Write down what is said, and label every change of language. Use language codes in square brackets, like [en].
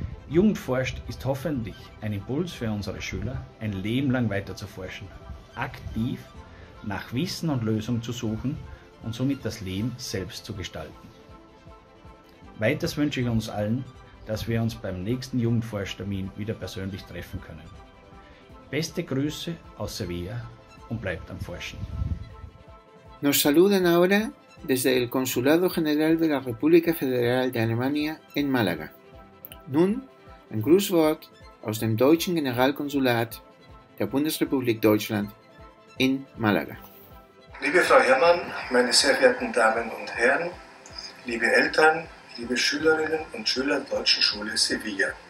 [de] Jugendforscht ist hoffentlich ein Impuls für unsere Schüler, ein Leben lang weiter zu forschen, aktiv nach Wissen und Lösungen zu suchen und somit das Leben selbst zu gestalten. Weiters wünsche ich uns allen, dass wir uns beim nächsten Jugendforschtermin wieder persönlich treffen können. Beste Grüße aus Sevilla und bleibt am Forschen. [es] Nos saludan ahora desde el Consulado General de la República Federal de Alemania en Málaga. [de] Nun ein Grußwort aus dem Deutschen Generalkonsulat der Bundesrepublik Deutschland in Málaga. Liebe Frau Herrmann, meine sehr verehrten Damen und Herren, liebe Eltern, liebe Schülerinnen und Schüler der Deutschen Schule Sevilla.